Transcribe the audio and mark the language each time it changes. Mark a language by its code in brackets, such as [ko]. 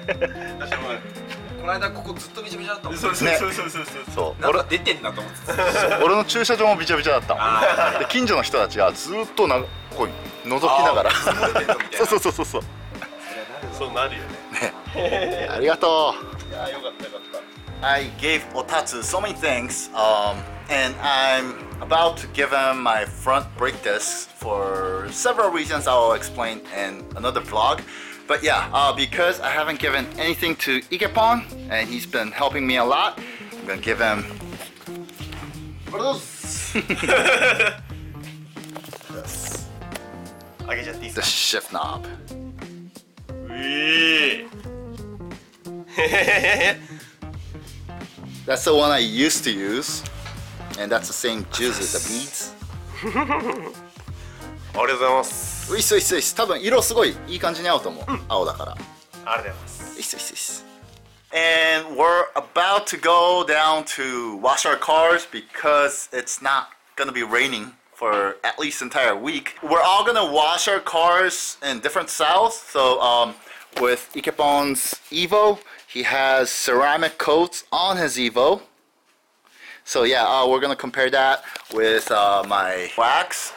[ja] て、この間ここずっとびちゃびちゃだったもんね。そうそうそうそうそうそう、なんか出てんなと思ってた。俺の駐車場もびちゃびちゃだった。で近所の人たちがずっとなこう覗きながら、そうそうそうそうそう、そうなるよね。ね、ありがとう。いやよかったよかった。 [en] I gave Otatsu so many things, and I'm about to give him my front brake disc for several reasons I'll explain in another vlog. But yeah, because I haven't given anything to Ikepon, and he's been helping me a lot, I'm gonna give him... What else? I get just the shift knob. Wee! That's the one I used to use, and that's the same juice as the beads. [ja] ありがとうございます。ういっすういっすういっす。多分色すごいいい感じに合うと思う。うん、青だから。ありがとうございます。ういっすういっすういっす。 [en] And we're about to go down to wash our cars because it's not gonna be raining for at least entire week. We're all gonna wash our cars in different styles. So, with Ikepon's Evo. He has ceramic coats on his Evo. So yeah, we're gonna compare that with my wax.